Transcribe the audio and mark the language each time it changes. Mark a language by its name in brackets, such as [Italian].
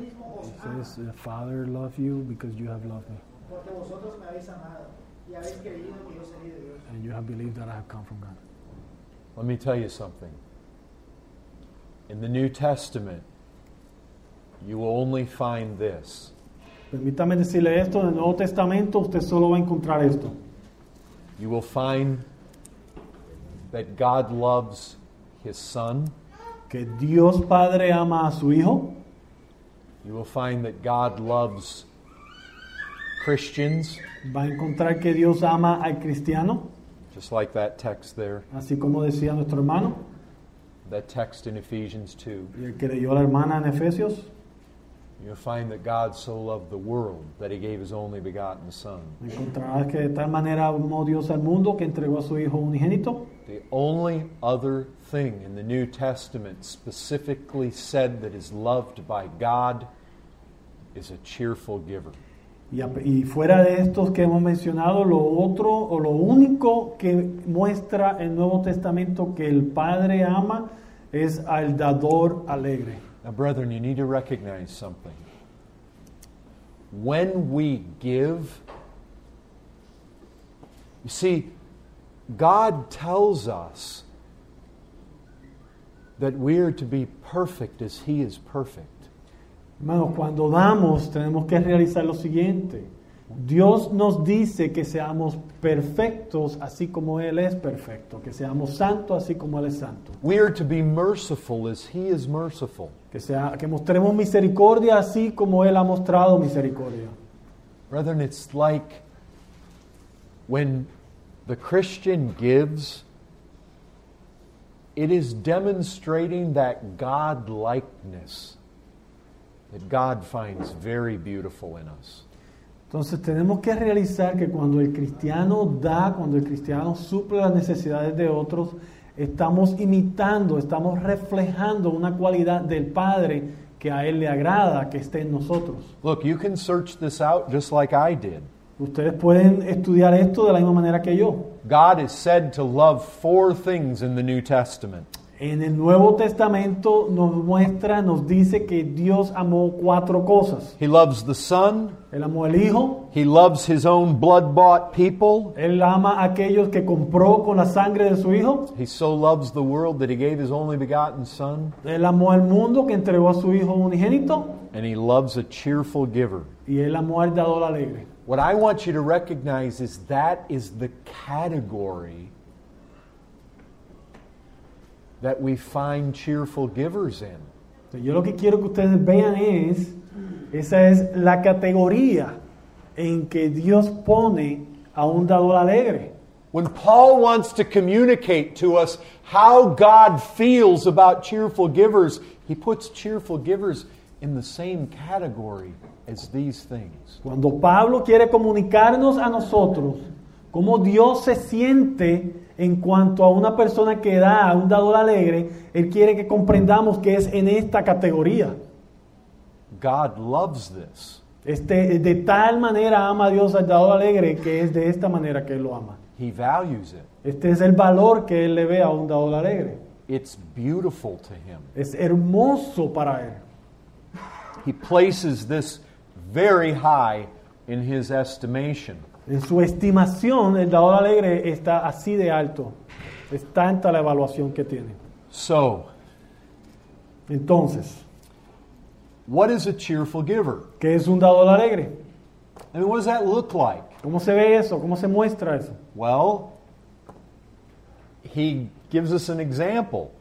[English] It says, the Father loves you because you have loved me. [Spanish] Porque vosotros me habéis amado y habéis creído que yo soy de Dios. [English] And you have believed that I have come from God. Let me tell you something. In the New Testament, you will only find this. [Spanish] Permítame decirle esto. En el Nuevo Testamento, usted solo va a encontrar esto. [English] You will find that God loves his son. [Spanish] Que Dios Padre ama a su hijo. [English] You will find that God loves Christians. [Spanish] Va a encontrar que Dios ama al cristiano. [English] Just like that text there. [Spanish] Así como decía nuestro hermano. [English] That text in Ephesians 2. [Spanish] Y el que leyó la hermana en Efesios. [English] You'll find that God so loved the world that he gave his only begotten son. [Spanish] Encontrarás que de tal manera amó Dios al mundo que entregó a su hijo unigénito. [English] The only other thing in the New Testament specifically said that is loved by God is a cheerful giver. [Spanish] Y fuera de estos que hemos mencionado, lo otro o lo único que muestra el Nuevo Testamento que el Padre ama es al dador alegre. [English] Now, brethren, you need to recognize something. When we give, you see, God tells us that we are to be perfect as he is perfect. [Spanish] Hermanos, cuando damos, tenemos que realizar lo siguiente. Dios nos dice que seamos perfectos así como él es perfecto, que seamos santos así como él es santo. [English] We are to be merciful as he is merciful. [Spanish] Que mostremos misericordia así como él ha mostrado misericordia. [English] Brethren, it's like when the Christian gives, it is demonstrating that God-likeness that God finds very beautiful in us. [Spanish] Entonces tenemos que realizar que cuando el cristiano da, cuando el cristiano suple las necesidades de otros, estamos imitando, estamos reflejando una cualidad del Padre que a él le agrada, que esté en nosotros. [English] Look, you can search this out just like I did. [Spanish] Ustedes pueden estudiar esto de la misma manera que yo. [English] God is said to love four things in the New Testament. [Spanish] En el Nuevo Testamento nos muestra, nos dice que Dios amó cuatro cosas. [English] He loves the Son. [Spanish] Él amó el Hijo. [English] He loves his own blood-bought people. [Spanish] Él ama a aquellos que compró con la sangre de su Hijo. [English] He so loves the world that he gave his only begotten Son. [Spanish] Él amó al mundo que entregó a su Hijo unigénito. [English] And he loves a cheerful giver. [Spanish] Y él amó al dador alegre. [English] What I want you to recognize is that is the category that we find cheerful givers in. [Spanish] Yo lo que quiero que ustedes vean es, esa es la categoría en que Dios pone a un dador alegre. [English] When Paul wants to communicate to us how God feels about cheerful givers, he puts cheerful givers in the same category as these things. [Spanish] Cuando Pablo quiere comunicarnos a nosotros cómo Dios se siente en cuanto a una persona que da, a un dador alegre, él quiere que comprendamos que es en esta categoría. [English] God loves this. [Spanish] De tal manera ama a Dios al dador alegre que es de esta manera que él lo ama. [English] He values it. [Spanish] Este es el valor que él le ve a un dador alegre. [English] It's beautiful to him. [Spanish] Es hermoso para él. [English] He places this very high in his estimation. [Spanish] En su estimación, el dador alegre está así de alto. Es tanta la evaluación que tiene. [English] So, [Spanish] entonces, [English] what is a cheerful giver? [Spanish] ¿Qué es un dador alegre? [English] I mean, what does that look like? [Spanish] ¿Cómo se ve eso? ¿Cómo se muestra eso? [English] Well, he gives us an example.